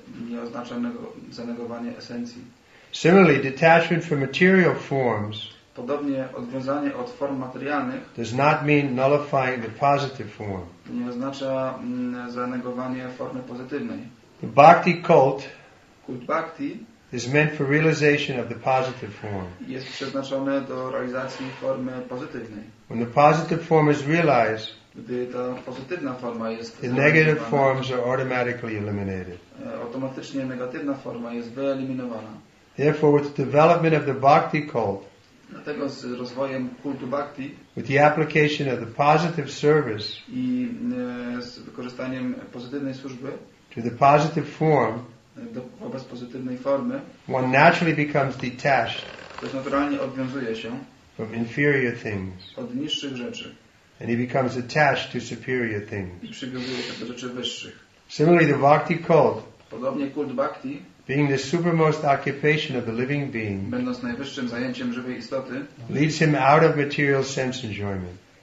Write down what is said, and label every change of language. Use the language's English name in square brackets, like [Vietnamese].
[Polish] Nie oznacza zanegowanie esencji. [English] Similarly, detachment from material forms [Polish] podobnie odwiązanie od form materialnych [English] does not mean nullifying the positive form. [Polish] Nie oznacza zanegowanie formy pozytywnej. [English] The bhakti cult [Polish] kult bhakti [English] is meant for realization of the positive form. [Polish] Jest przeznaczone do realizacji formy pozytywnej. [English] When the positive form is realized, [Polish] gdy ta pozytywna forma jest [English] the negative forms are automatically eliminated. [Polish] Automatycznie negatywna forma jest wyeliminowana. [English] Therefore, with the development of the bhakti cult, [Polish] dlatego z rozwojem kultu bhakti, [English] with the application of the positive service, [Polish] i z wykorzystaniem pozytywnej służby, [English] to the positive form, [Polish] wobec pozytywnej formy, [English] one naturally becomes detached. [Polish] Ktoś naturalnie odwiązuje się [English] from inferior things. [Polish] Od niższych rzeczy. [English] And he becomes attached to superior things. [Polish] I przywiązuje się do rzeczy wyższych. [English] Similarly, the bhakti cult, [Polish] podobnie kult bhakti, [English] being the supermost occupation of the living being, [Polish] będąc najwyższym zajęciem żywej istoty, [English] leads him out of material sense enjoyment.